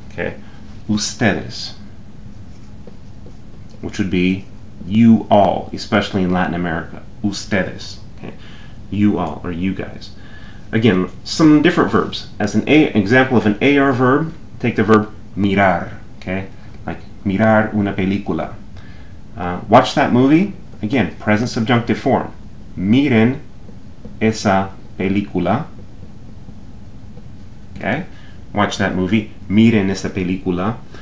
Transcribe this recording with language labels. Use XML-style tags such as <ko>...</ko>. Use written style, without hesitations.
<en>Okay, ustedes, which would be you all, especially in Latin America. Ustedes, okay? You all, or you guys. Again, some different verbs. As an example of an AR verb, take the verb mirar, okay?</en> <es>Like mirar una película.</es> <en>Watch that movie, again, present subjunctive form.</en> <es>Miren esa película, okay?</es> <en>Watch that movie,</en> <es>miren esa película.</es>